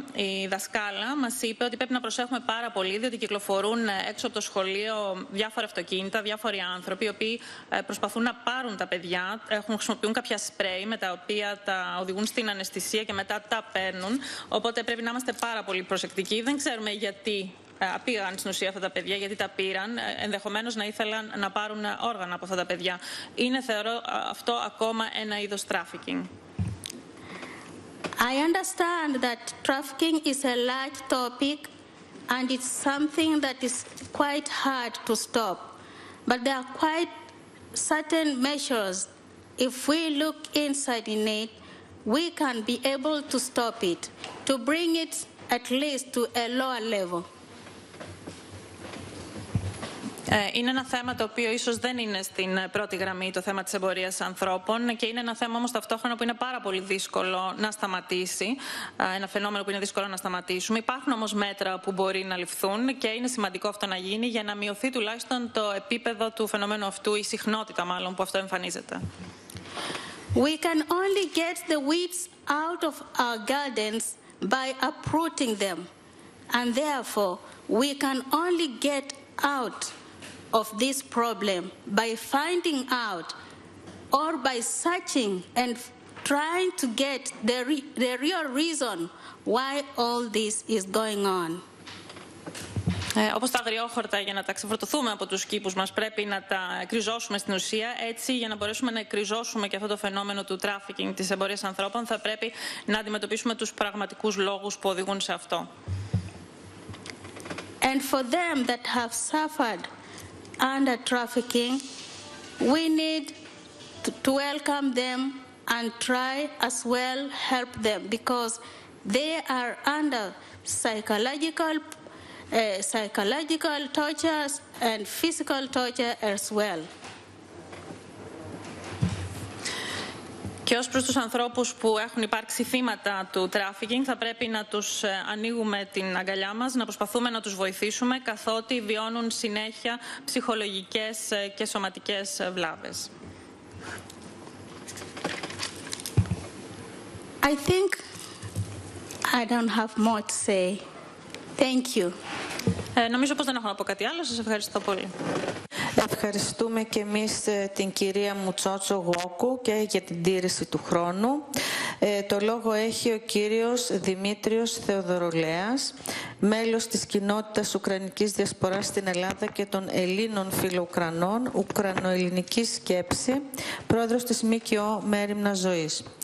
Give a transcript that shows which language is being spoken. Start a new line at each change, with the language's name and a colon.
Greek: Η δασκάλα μας είπε ότι πρέπει να προσέχουμε πάρα πολύ, διότι κυκλοφορούν έξω από το σχολείο διάφορα αυτοκίνητα, διάφοροι άνθρωποι, οι οποίοι προσπαθούν να πάρουν τα παιδιά, χρησιμοποιούν κάποια σπρέι με τα οποία τα οδηγούν στην αναισθησία και μετά τα παίρνουν. Οπότε πρέπει να είμαστε πάρα πολύ προσεκτικοί. Δεν ξέρουμε γιατί πήγαν στην ουσία αυτά τα παιδιά, γιατί τα πήραν. Ενδεχομένως να ήθελαν να πάρουν όργανα από αυτά τα παιδιά. Είναι, θεωρώ, αυτό ακόμα ένα είδος trafficking.
English: I understand that trafficking is a large topic and it's something that is quite hard to stop. But there are quite certain measures. If we look inside in it, we can be able to stop it, to bring it at least to a lower level.
Greek: Είναι ένα θέμα το οποίο ίσως δεν είναι στην πρώτη γραμμή, το θέμα της εμπορίας ανθρώπων, και είναι ένα θέμα όμως ταυτόχρονα που είναι πάρα πολύ δύσκολο να σταματήσει, ένα φαινόμενο που είναι δύσκολο να σταματήσουμε. Υπάρχουν όμως μέτρα που μπορεί να ληφθούν και είναι σημαντικό αυτό να γίνει για να μειωθεί τουλάχιστον το επίπεδο του φαινομένου αυτού, η συχνότητα μάλλον που αυτό εμφανίζεται.
English: We can only get the weeds out of our gardens by uprooting them, and therefore we can only get out of this problem by finding out or by searching and trying to get the real reason why all this is going on.
Greek: Όπως τα αγριόχορτα, για να τα ξεφορτωθούμε από τους κήπους μας, πρέπει να τα εκριζώσουμε στην ουσία. Έτσι, για να μπορέσουμε να εκριζώσουμε και αυτό το φαινόμενο του trafficking, της εμπορίας ανθρώπων, θα πρέπει να αντιμετωπίσουμε τους πραγματικούς λόγους που οδηγούν σε αυτό.
English: And for them that have suffered under trafficking, we need to welcome them and try as well help them, because they are under psychological tortures and physical torture as well.
Greek: Και ως προς τους ανθρώπους που έχουν υπάρξει θύματα του trafficking, θα πρέπει να τους ανοίγουμε την αγκαλιά μας, να προσπαθούμε να τους βοηθήσουμε, καθότι βιώνουν συνέχεια ψυχολογικές και σωματικές βλάβες.
English: I think I don't have more to say. Thank you.
Greek: Νομίζω πως δεν έχω να πω κάτι άλλο. Σας ευχαριστώ πολύ. Ευχαριστούμε και εμείς την κυρία Μουτσότσο Γόκου και για την τήρηση του χρόνου. Το λόγο έχει ο κύριος Δημήτριος Θεοδωρολέας, μέλος της κοινότητας Ουκρανικής Διασποράς στην Ελλάδα και των Ελλήνων Φιλοουκρανών, Ουκρανοελληνική Σκέψη, πρόεδρος της ΜΚΟ Μέρημνα Ζωής.